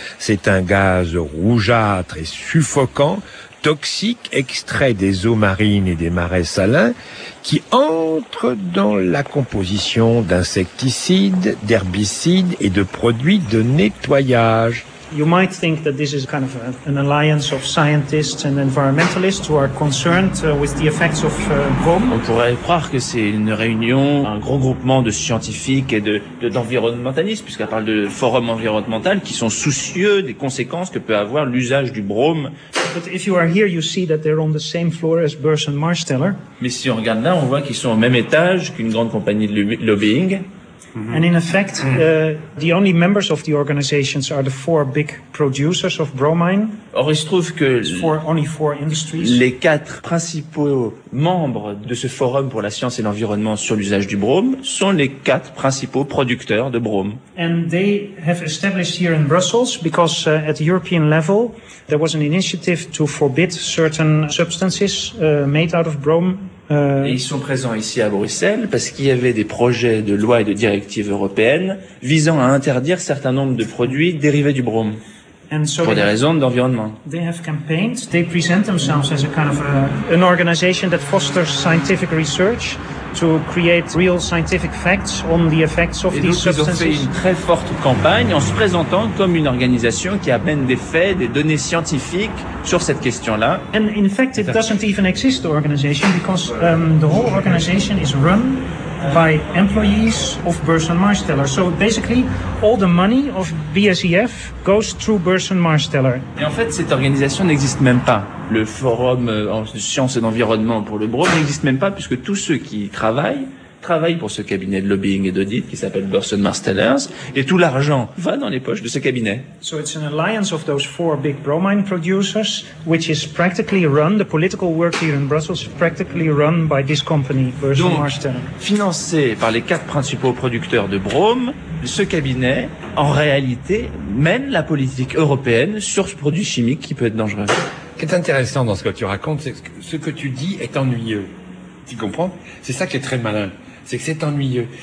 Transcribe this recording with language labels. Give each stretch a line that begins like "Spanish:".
French: C'est un gaz rougeâtre et suffocant, toxique, extrait des eaux marines et des marais salins, qui entre dans la composition d'insecticides, d'herbicides et de produits de nettoyage.
English: You might think that this is kind of an alliance of scientists and environmentalists who are concerned with the effects of brome.
French: On pourrait croire que c'est une réunion, un gros groupement de scientifiques et de d'environnementalistes, puisqu'on parle de forum environnemental, qui sont soucieux des conséquences que peut avoir l'usage du brome.
English: But if you are here, you see that they're on the same floor as Burch & Marsteller.
French: Mais si on regarde là, on voit qu'ils sont au même étage qu'une grande compagnie de lobbying. Mm-hmm.
English: And in effect, the only members of the organizations are the four big producers of bromine.
French: Or, il se trouve que
English: only four industries.
French: Les quatre principaux membres de ce forum pour la science et l'environnement sur l'usage du brome sont les quatre principaux producteurs de brome.
English: And they have established here in Brussels because at the European level there was an initiative to forbid certain substances made out of brome.
French: Et ils sont présents ici à Bruxelles parce qu'il y avait des projets de loi et de directives européennes visant à interdire certain nombre de produits dérivés du brome pour des raisons d'environnement.
English: They have campaigned, they present themselves as a kind of an organization that fosters scientific research to create real scientific facts on the effects of these substances.
French: Et donc ils ont fait une très forte campagne en se présentant comme une organisation qui amène des faits, des données scientifiques sur cette question-là.
English: And in fact, it doesn't even exist, the organization, because the whole organization is run by employees of Burch & Marsteller. So basically, all the money of BSEF goes through Burch & Marsteller.
French: Et en fait, cette organisation n'existe même pas. Le forum en sciences et d'environnement pour le brome n'existe même pas, puisque tous ceux qui travaillent pour ce cabinet de lobbying et d'audit qui s'appelle Burch & Marsteller, et tout l'argent va dans les poches de ce cabinet.
English: So it's an alliance of those four big bromine producers, which is practically run, the political work here in Brussels is practically run by this company, Burch & Marsteller.
French: Donc, financé par les quatre principaux producteurs de brome, ce cabinet, en réalité, mène la politique européenne sur ce produit chimique qui peut être dangereux. Ce qui est intéressant dans ce que tu racontes, c'est que ce que tu dis est ennuyeux. Tu comprends? C'est ça qui est très malin. C'est que c'est ennuyeux.